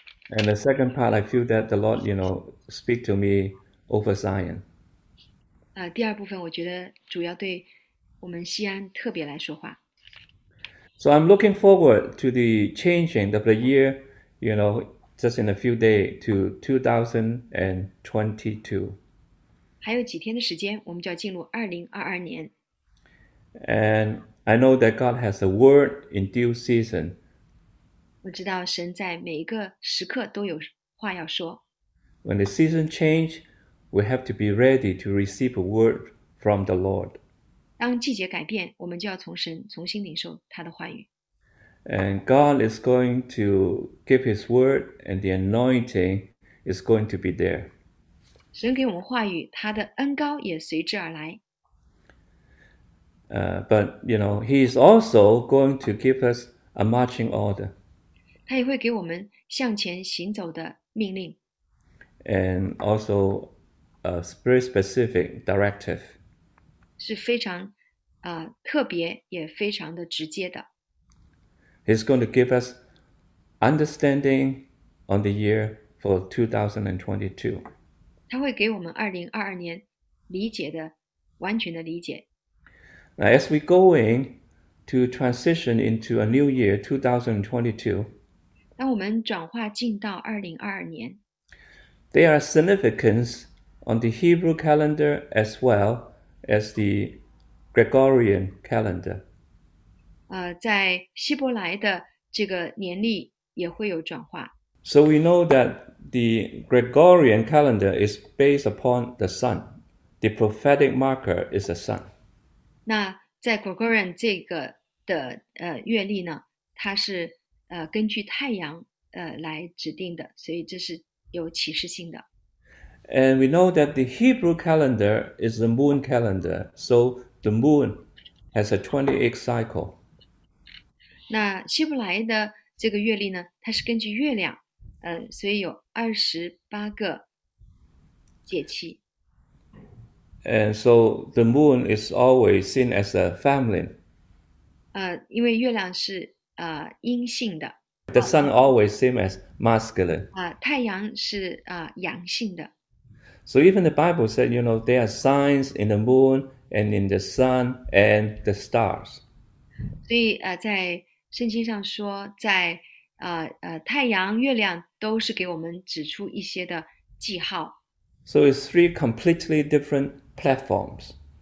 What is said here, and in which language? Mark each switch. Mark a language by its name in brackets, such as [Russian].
[English] And the second part, I feel that the Lord, speak to me over Zion. [Chinese] 第二部分我觉得主要对我们西安特别来说话。 [English] So I'm looking forward to the changing of the year, just in a few days to 2022. [Chinese] 还有几天的时间，我们就要进入2022年。 [English] And I know that God has a word in due season. [Chinese] 我知道神在每一个时刻都有话要说。 [English] When the season change, we have to be ready to receive a word from the Lord. [Chinese] 当季节改变，我们就要从神重新领受他的话语。 [English] And God is going to give His word, and the anointing is going to be there. [Chinese] 神给我们话语，他的恩膏也随之而来。 [English] But He is also going to give us a marching order. [Chinese] 他也会给我们向前行走的命令， [English] And also a very specific directive. [Chinese] 是非常特别，也非常的直接的。 [English] He's going to give us understanding on the year for 2022. [Chinese] 他会给我们2022年理解的完全的理解。 [English] Now, as we're going to transition into a new year, 2022, [Chinese] 当我们转化进到2022年， [English] there are significance on the Hebrew calendar as well as the Gregorian calendar. [Chinese] 在希伯来的这个年历也会有转化。 [English] So we know that the Gregorian calendar is based upon the sun. The prophetic marker is the sun. [Chinese] 那在 Gregorian 这个的月历呢，它是根据太阳来指定的，所以这是有启示性的。 [English] And we know that the Hebrew calendar is the moon calendar, so the moon has a 28 cycle. [Chinese] 那希伯来的这个月历呢，它是根据月亮，所以有28个节气。 [English] And so the moon is always seen as a feminine. [Chinese] 因为月亮是阴性的， [English] The sun always seen as masculine. [Chinese] 太阳是阳性的。 [English] So even the Bible said, there are signs in the moon and in the sun and the stars. [Chinese] 所以在圣经上说，在太阳、月亮都是给我们指出一些的记号。 [English] So it's three completely different platforms.